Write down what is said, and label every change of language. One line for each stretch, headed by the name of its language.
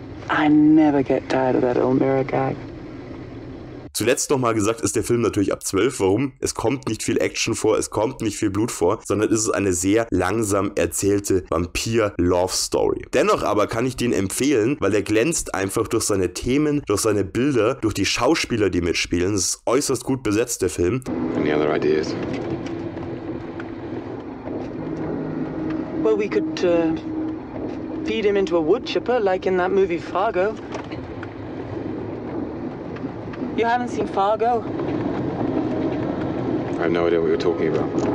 English: I never get tired of that old mirror gag.
German: Zuletzt nochmal gesagt, ist der Film natürlich ab 12. Warum? Es kommt nicht viel Action vor, es kommt nicht viel Blut vor, sondern es ist eine sehr langsam erzählte Vampir-Love-Story. Dennoch aber kann ich den empfehlen, weil er glänzt einfach durch seine Themen, durch seine Bilder, durch die Schauspieler, die mitspielen. Es ist äußerst gut besetzt, der Film.
English: Any other ideas? Well, we could feed him into a wood chipper, like in that movie Fargo. You haven't seen Fargo? I have no idea what you're talking about.